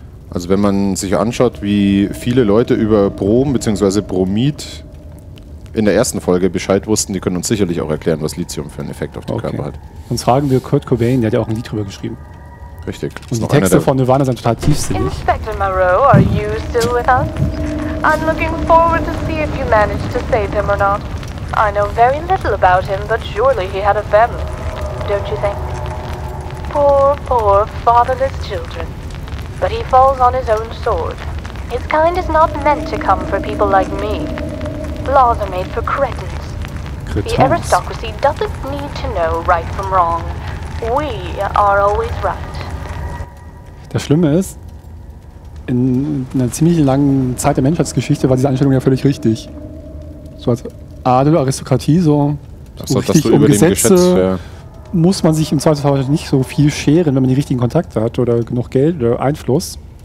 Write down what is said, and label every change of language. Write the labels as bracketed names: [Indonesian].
[German] Also wenn man sich anschaut, wie viele Leute über Brom bzw. Bromid in der ersten Folge Bescheid wussten, die können uns sicherlich auch erklären, was Lithium für einen Effekt auf den Körper hat. Sonst fragen wir Kurt Cobain, der hat ja auch ein Lied drüber geschrieben. Richtig. Und die Texte von Nirvana sind total tiefsinnig. [English] Inspector Moreau, are you still with us? I'm looking forward to see if you managed to save him or not. I know very little about him, but surely he had a family, don't you think? Poor, poor, fatherless children. But he falls on his own sword. His kind is not meant to come for people like me. Laws are made for cretins. The aristocracy doesn't need to know right from wrong. We are always right. [German] Das Schlimme ist, in einer ziemlich langen Zeit der Menschheitsgeschichte war diese Einstellung ja völlig richtig. So als Adel, Aristokratie, so richtig um Gesetze, muss man sich im Zweifelsfall nicht so viel scheren, wenn man die richtigen Kontakte hat oder genug Geld oder Einfluss.